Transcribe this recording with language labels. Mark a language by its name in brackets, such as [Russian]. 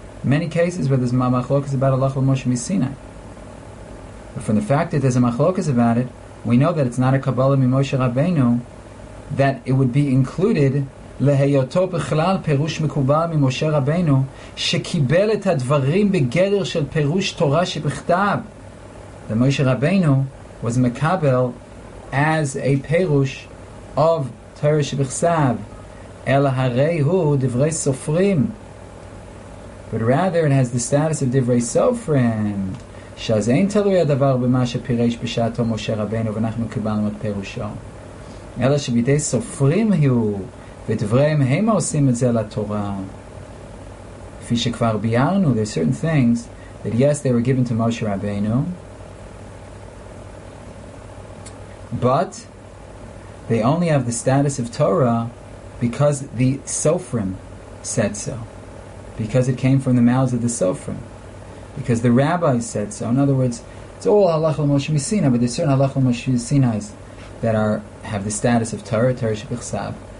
[English] Many cases where there's machlokos about halacha l'moshe Sinai. But from the fact that there's a machlokos about it, we know that it's not a kabbalah mimoshe Rabbeinu, that it would be included [Hebrew] להיותו בכלל פירוש מקובל ממשה רבנו שקיבל את הדברים בגדר של פירוש תורה שבכתב. ומשה רבנו was מקבל as a פירוש of תורה שבכתב, אלא הרי הוא דברי סופרים. [English] But rather it has the status of [Hebrew] דברי סופרים, שאז אין תלוי הדבר במה שפירש בשעתו משה רבנו ואנחנו קיבלנו את פירושו, אלא שבידי סופרים היו בדבריהם הם עושים את זה לתורה. כפי שכבר ביארנו, [English] there are certain things that yes, they were given to Moshe Rabbeinu, but they only have the status of Torah because the Sofrim said so, because it came from the mouths of the Sofrim, because the rabbis said so. In other words, it's all halach l'moshe Sinai, but there's certain halach l'moshe Sinai that have the status of Torah, Torah Shebichsav.